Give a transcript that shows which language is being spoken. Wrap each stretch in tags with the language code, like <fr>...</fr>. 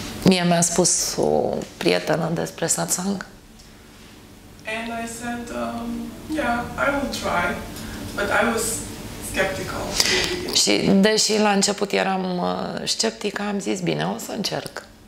<ro>Mie mi-a spus o prietenă despre satsang.</ro> <en>And I said, yeah, I will try, but I was skeptical.</en> <ro>Și deși la început eram sceptică, am zis bine, o să încerc.</ro>